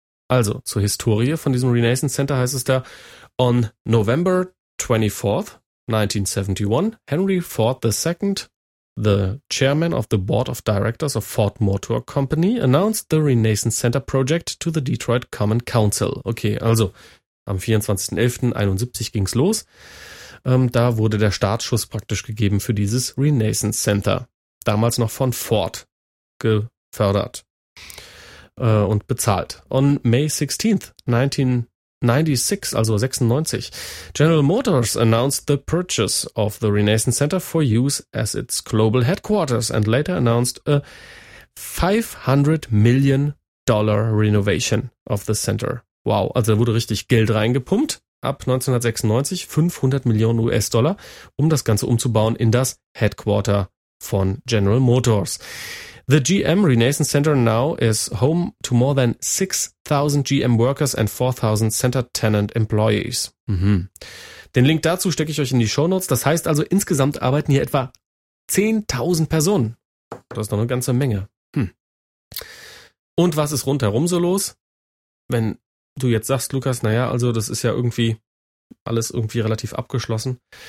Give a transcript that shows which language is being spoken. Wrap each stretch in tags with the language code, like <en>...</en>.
<de>Also, zur Historie von diesem Renaissance Center heißt es da:</de> <en>On November 24th, 1971, Henry Ford II, the chairman of the board of directors of Ford Motor Company, announced the Renaissance Center project to the Detroit Common Council.</en> <de>Okay, also am 24.11.71 ging es los. Da wurde der Startschuss praktisch gegeben für dieses Renaissance Center, damals noch von Ford gefördert und bezahlt.</de> <en>On May 16th, 1996,</en> <de>also 96,</de> <en>General Motors announced the purchase of the Renaissance Center for use as its global headquarters and later announced a $500 million renovation of the center.</en> <de>Wow, also da wurde richtig Geld reingepumpt ab 1996, $500 Millionen, um das Ganze umzubauen in das Headquarter von General Motors.</de> <en>The GM Renaissance Center now is home to more than 6,000 GM workers and 4,000 center tenant employees.</en> <de>Den Link dazu stecke ich euch in die Shownotes. Das heißt also, insgesamt arbeiten hier etwa 10.000 Personen. Das ist doch eine ganze Menge. Und was ist rundherum so los? Wenn du jetzt sagst, Lukas, naja, also das ist ja irgendwie alles irgendwie relativ abgeschlossen.</de>